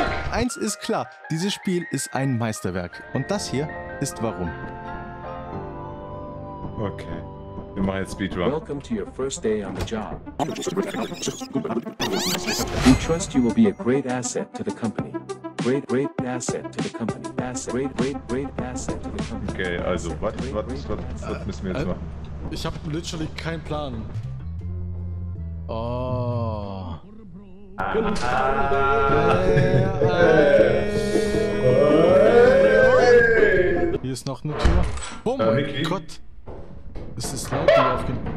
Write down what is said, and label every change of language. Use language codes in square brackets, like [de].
[de] Eins ist klar, dieses Spiel ist ein Meisterwerk. Und das hier ist warum. Okay. Wir machen jetzt Speedrun. [en] Welcome to your first day on the job. We trust you will be a great asset to the company. Great, great asset to the company. Asset. Great, great, great asset to the company. [de] Okay, also, was müssen wir jetzt machen? Ich hab literally keinen Plan. Oh. Hier ist noch eine Tür. Oh mein Gott. Es ist laut, die aufgenommen.